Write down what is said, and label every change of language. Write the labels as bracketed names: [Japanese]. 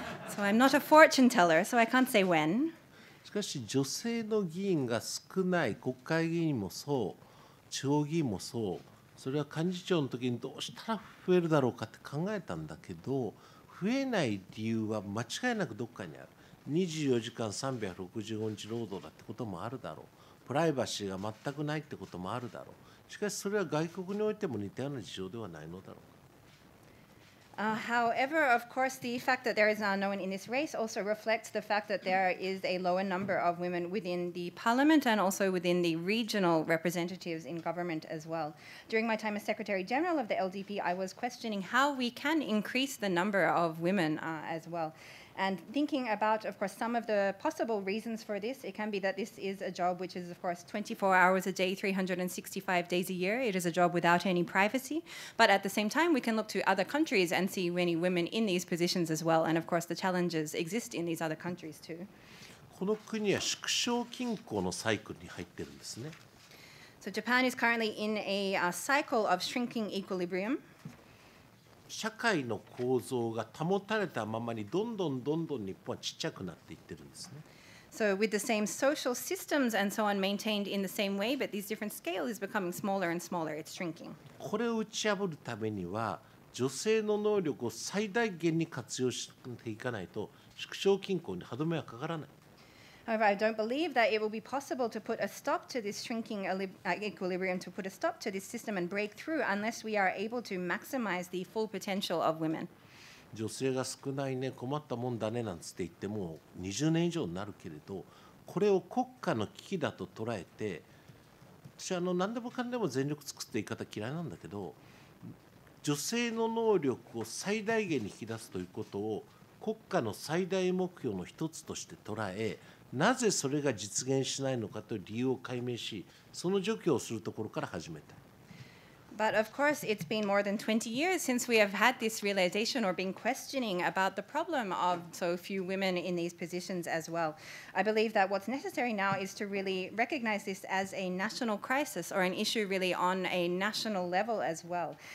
[English] So I'm not a fortune teller, so I can't say when. [Japanese] しかし女性の議員が少ない国会議員もそう、地方議員もそう、それは幹事長の時にどうしたら増えるだろうかって考えたんだけど、増えない理由は間違いなくどっかにある。 24時間365日労働だってこともあるだろう。プライバシーが全くないってこともあるだろう。しかしそれは外国においても似たような事情ではないのだろう。 [English] However, of course, the fact that there is now no one in this race also reflects the fact that there is a lower number of women within the parliament and also within the regional representatives in government as well. During my time as Secretary General of the LDP, I was questioning how we can increase the number of women as well. And thinking about, of course, some of the possible reasons for this, it can be that this is a job which is, of course, 24 hours a day, 365 days a year. It is a job without any privacy. But at the same time, we can look to other countries and see many women in these positions as well. And, of course, the challenges exist in these other countries too. [Japanese] この国は縮小均衡のサイクルに入ってるんですね。 [English] So Japan is currently in a cycle of shrinking equilibrium. [Japanese] 社会の構造が保たれたままにどんどんどんどん日本は小さくなっていってるんですね。 [English] So with the same social systems and so on maintained in the same way, but these different scales is becoming smaller and smaller. It's shrinking. [Japanese] これを打ち破るためには女性の能力を最大限に活用していかないと縮小均衡に歯止めはかからない。 [English] However, I don't believe that it will be possible to put a stop to this shrinking equilibrium, to put a stop to this system and break through unless we are able to maximize the full potential of women. [Japanese] 女性が少ないね、困ったもんだねなんつって言っても20年以上になるけれど、これを国家の危機だと捉えて、私は何でもかんでも全力尽くすって言い方嫌いなんだけど、女性の能力を最大限に引き出すということを国家の最大目標の一つとして捉え、なぜそれが実現しないのかという理由を解明し、その除去をするところから始めた。 [English] But of course, it's been more than 20 years since we have had this realization or been questioning about the problem of so few women in these positions as well. I believe that what's necessary now is to really recognize this as a national crisis or an issue really on a national level as well.